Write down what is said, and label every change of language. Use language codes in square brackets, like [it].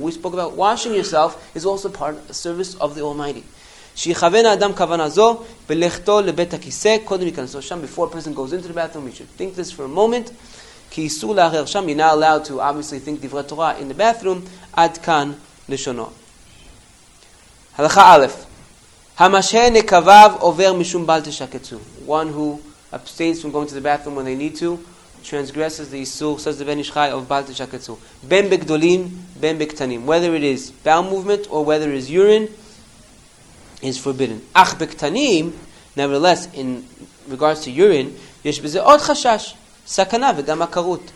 [en] We spoke about washing yourself is also part of service of the Almighty. [he] שיכוון האדם כוונה זו בלכתו לבית הכיסא, קודם יכנסו שם, [en] before a person goes into the bathroom, you should think this for a moment. [he] כי איסור לערער שם, [en] you're not allowed to obviously think דברי Torah in the bathroom, [he] עד כאן לשונו. הלכה א', המשה נקבב עובר משום בל תשקצו. [en] One who abstains from going to the bathroom when they need to, transgresses the איסור, says the Ben Ish Chai, of בל תשקצו. [he] בין בגדולים, בין בקטנים. [en] Whether it is bowel movement or whether it is urine, is forbidden. [he] אך בקטנים, [en] nevertheless, in regards to urine, [he] יש בזה עוד חשש, סכנה וגם עקרות.